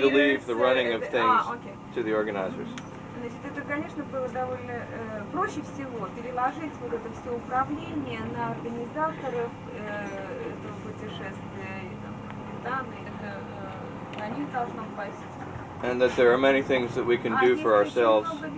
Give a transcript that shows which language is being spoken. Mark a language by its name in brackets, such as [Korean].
[English] to leave the running of things to the organizers. [Russian] Значит, это, конечно, было довольно проще всего переложить вот это все управление на организаторов этого путешествия, и там, данные, на них должно упасть. [English] And that there are many things that we can do for ourselves.